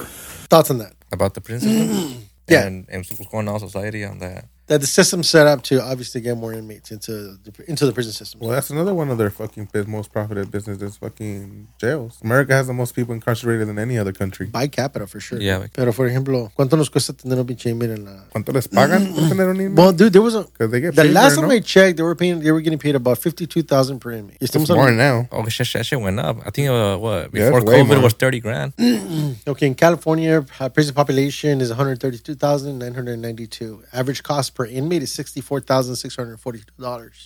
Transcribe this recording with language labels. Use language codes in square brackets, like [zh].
[en] Thoughts on that? About the prison system? Yeah. And what's going on in society on that? That the system's set up to obviously get more inmates into the prison system. Well, that's another one of their fucking most profitable businesses, fucking jails. America has the most people incarcerated than any other country. By capita, for sure. Yeah. [es] Pero, for ejemplo, ¿cuánto nos cuesta tener un pinche inmate en la...? ¿Cuánto les pagan por tener un inmate? [en] Well, dude, there was a... Because they get paid. The last time I checked, they were getting paid about $52,000 per inmate. It's more now. Oh, shit went up. I think, before COVID, it was $30,000. Okay, in California, prison population is 132,992. Average cost per inmate is $64,642.